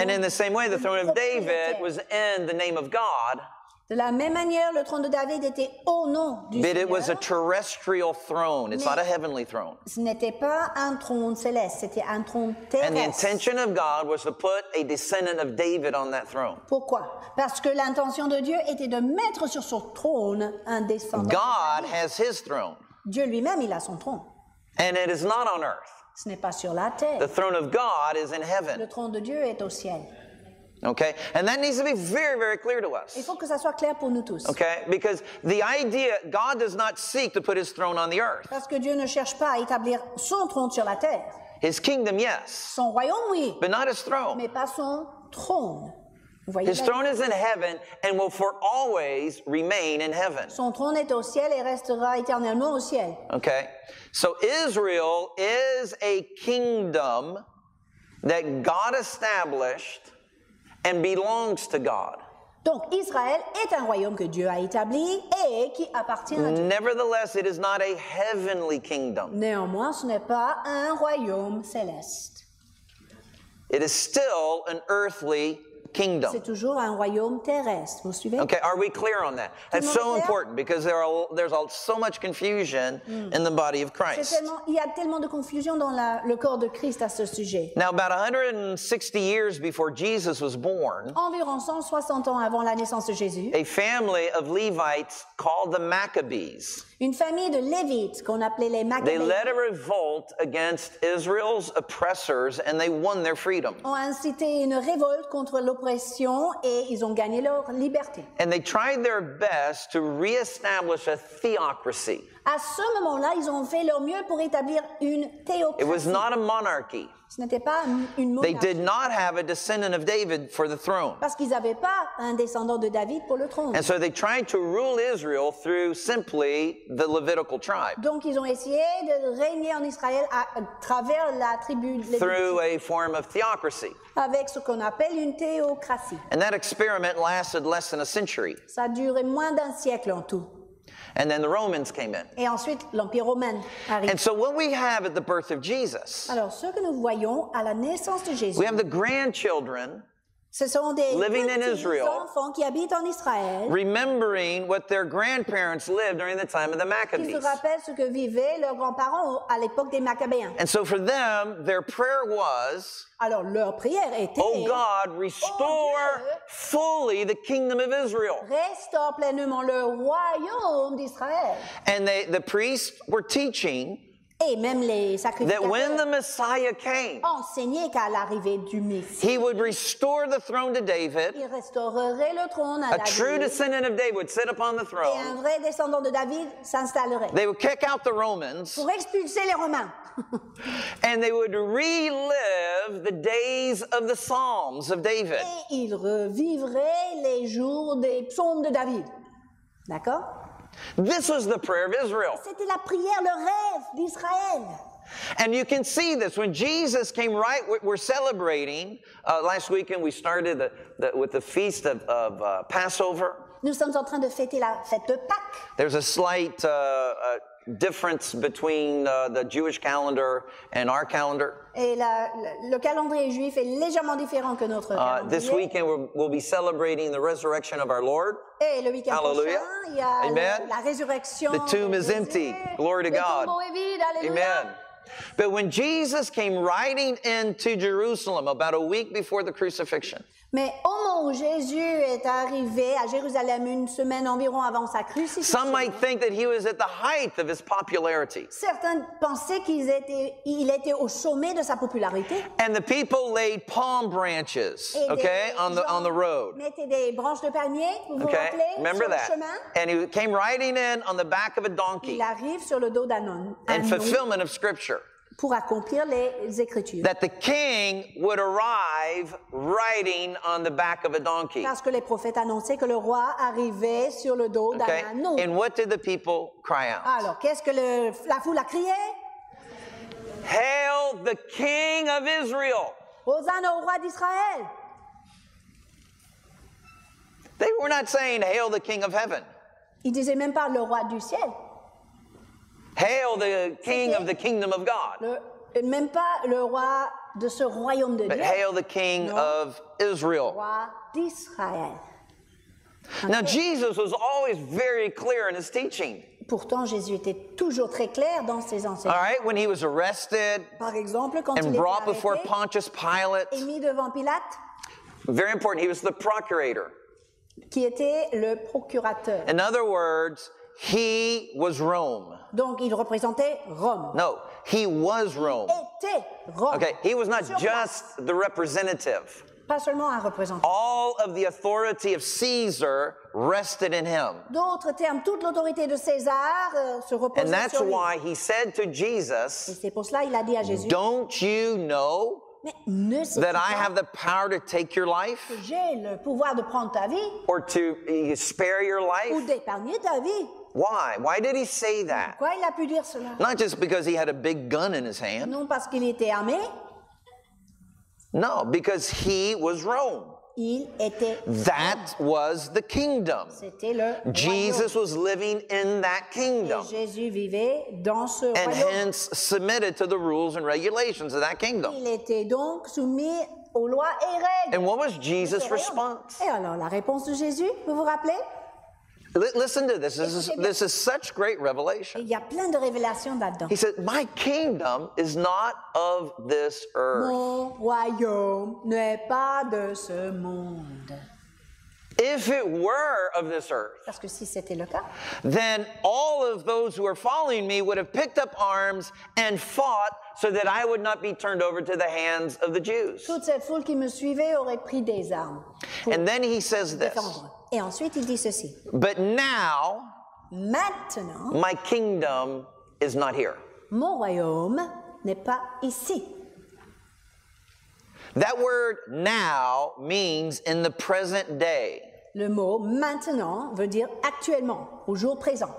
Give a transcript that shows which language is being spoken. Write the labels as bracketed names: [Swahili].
[English] And in the same way, the throne of David was in the name of God. [French] De la même manière, le trône de David était au nom du Seigneur. [English] But it was a terrestrial throne. It's not a heavenly throne. [French] Ce n'était pas un trône céleste. C'était un trône terrestre. [English] And the intention of God was to put a descendant of David on that throne. [French] Pourquoi? Parce que l'intention de Dieu était de mettre sur son trône un descendant. [English] God has his throne. [French] Dieu lui-même, il a son trône. [English] And it is not on earth. [French] Ce n'est pas sur la terre. [English] The throne of God is in heaven. [French] Le trône de Dieu est au ciel. [English] Okay? And that needs to be very, very clear to us. [French] Il faut que ça soit clair pour nous tous. [English] Okay? Because the idea, God does not seek to put his throne on the earth. [French] Parce que Dieu ne cherche pas à établir son trône sur la terre. [English] His kingdom, yes. [French] Son royaume, oui. [English] But not his throne. [French] Mais pas son trône. [English] His throne is in heaven and will for always remain in heaven. [French] Son trône est au ciel et restera éternellement au ciel. [English] Okay. So Israel is a kingdom that God established and belongs to God. [French] Donc Israël est un royaume que Dieu a établi et qui appartient à Dieu. [English] Nevertheless, it is not a heavenly kingdom. [French] Néanmoins, ce n'est pas un royaume céleste. [English] It is still an earthly kingdom. [French] C'est toujours un royaume terrestre. Vous suivez? [English] Okay, are we clear on that? That's so important because there's so much confusion in the body of Christ. [French] Il y a tellement de confusion dans le corps de Christ à ce sujet. [English] Now, about 160 years before Jesus was born, [French] environ 160 ans avant la naissance de Jésus, [English] a family of Levites called the Maccabees. [French] Une famille de Lévites qu'on appelait les Maccabées. [English] They led a revolt against Israel's oppressors and they won their freedom. [French] Ont incité une révolte contre l'oppression et ils ont gagné leur liberté. [English] And they tried their best to reestablish a theocracy. [French] À ce moment-là, ils ont fait leur mieux pour établir une théocratie. [English] It was not a monarchy. [French] Ce n'était pas une monarchie. [English] They did not have a descendant of David for the throne. [French] Parce qu'ils n'avaient pas un descendant de David pour le trône. [English] And so they tried to rule Israel through simply the Levitical tribe. [French] Donc ils ont essayé de régner en Israël à travers la tribu Lévite. [English] Through a form of theocracy. [French] Avec ce qu'on appelle une théocratie. [English] And that experiment lasted less than a century. [French] Ça a duré moins d'un siècle en tout. [English] And then the Romans came in. [French] Et ensuite, l'Empire romain arrive. [English] And so what we have at the birth of Jesus, [French] alors, ce que nous voyons à la naissance de Jésus, [English] we have the grandchildren [French] ce sont des [English] living in Israel, [French] enfants qui habitent en Israël, [English] remembering what their grandparents lived during the time of the Maccabees. [French] Qui se rappellent ce que vivaient leurs grands-parents à l'époque des Maccabéens. [English] And so for them, their prayer was, [French] alors, leur prière était, [English] oh God, restore fully the kingdom of Israel. [French] Restaure pleinement le royaume d'Israël. [English] And the priests were teaching [French] et même les sacrificateurs [English] that when the Messiah came, [French] enseignaient qu'à l'arrivée du Messie, [English] he would restore the throne to David. [French] Il restaurerait le trône à David. [English] A true descendant of David would sit upon the throne. [French] Et un vrai descendant de David s'installerait. [English] They would kick out the Romans. [French] Pour expulser les Romains. [English] And they would relive the days of the Psalms of David. [French] Et ils revivraient les jours des psaumes de David. D'accord? [English] This was the prayer of Israel. [French] C'était la prière, le rêve d'Israël. [English] And you can see this when Jesus came right. We're celebrating last weekend. We started with the feast of Passover. [French] Nous sommes en train de fêter la fête de Pâques. [English] There's a slight difference between the Jewish calendar and our calendar. [French] Et le calendrier juif est légèrement différent que notre calendrier. [English] This weekend we'll be celebrating the resurrection of our Lord. [French] Et le week-end [English] hallelujah. [French] Prochain, il y a la résurrection. [English] The tomb is empty. Glory to God. [French] Le tombeau est vide. Alléluia. [English] Amen. But when Jesus came riding into Jerusalem about a week before the crucifixion, [French] mais au moment où Jésus est arrivé à Jérusalem une semaine environ avant sa crucifixion, [English] some might think that he was at the height of his popularity. [French] Certains pensaient qu'il était au sommet de sa popularité. [English] And the people laid palm branches, okay, on the road. [French] Mettaient des branches de palmier, vous [English] okay, [French] vous rappelez, [English] remember [French] sur [English] that. [French] Le chemin. [English] And he came riding in on the back of a donkey. [French] Il arrive sur le dos d'un âne. [English] In fulfillment of Scripture. [French] Pour accomplir les Écritures. [English] That the king would arrive riding on the back of a donkey. [French] Parce que les prophètes annonçaient que le roi arrivait sur le dos d'un âne. [English] Okay. And what did the people cry out? [French] Alors, qu'est-ce que la foule a crié? [English] Hail the king of Israel! [French] Hosanna au roi d'Israël! [English] They were not saying, hail the king of heaven. [French] Ils disaient même pas le roi du ciel. [English] Hail the king of the kingdom of God. [French] Même pas le roi de ce royaume de Dieu. [English] But hail the king of Israel. [French] Roi d'Israël. [English] Okay. Now Jesus was always very clear in his teaching. [French] Pourtant Jésus était toujours très clair dans ses enseignements. [English] All right, when he was arrested, [French] par exemple, quand [English] and [French] il [English] brought [French] arrêté, [English] before Pontius Pilate, [French] et mis devant Pilate, [English] very important, he was the procurator. [French] Qui était le procurateur. [English] In other words, he was Rome. [French] Donc, il représentait Rome. [English] No, he was Rome. [French] Il était Rome. [English] Okay, he was not just the representative. [French] Pas seulement un représentant. [English] All of the authority of Caesar rested in him. [French] D'autres termes, toute l'autorité de César se reposait sur lui. [English] And that's why he said to Jesus, [French] et c'est pour cela il a dit à Jésus, [English] don't you know that I have the power to take your life? [French] J'ai le pouvoir de prendre ta vie, [English] or to spare your life? [French] Ou d'épargner ta vie. [English] Why? Why did he say that? [French] Pourquoi il a pu dire cela? [English] Not just because he had a big gun in his hand. [French] Non, parce qu'il était armé. [English] No, because he was Rome. [French] Il était [English] that [French] Rome. [English] Was the kingdom. [French] C'était le [English] Jesus [French] royaume. [English] Was living in that kingdom. [French] Et Jésus vivait dans ce [English] and [French] royaume. [English] Hence submitted to the rules and regulations of that kingdom. [French] Il était donc soumis aux lois et règles. [English] And what was Jesus' response? [French] Et alors, la réponse de Jésus, vous vous rappelez? [English] Listen to this. This is such great revelation. [French] Il y a plein de révélations là-dedans. [English] He said, "My kingdom is not of this earth." [French] Mon royaume n'est pas de ce monde. [English] If it were of this earth, [French] parce que si c'était le cas, [English] then all of those who are following me would have picked up arms and fought so that I would not be turned over to the hands of the Jews. [French] Toute cette foule qui me suivait aurait pris des armes. [English] And then he says this. [French] Et ensuite, il dit ceci. [English] But now, [French] maintenant, [English] my kingdom is not here. [French] Mon royaume n'est pas ici. [English] That word now means in the present day. [French] Le mot maintenant veut dire actuellement, au jour présent.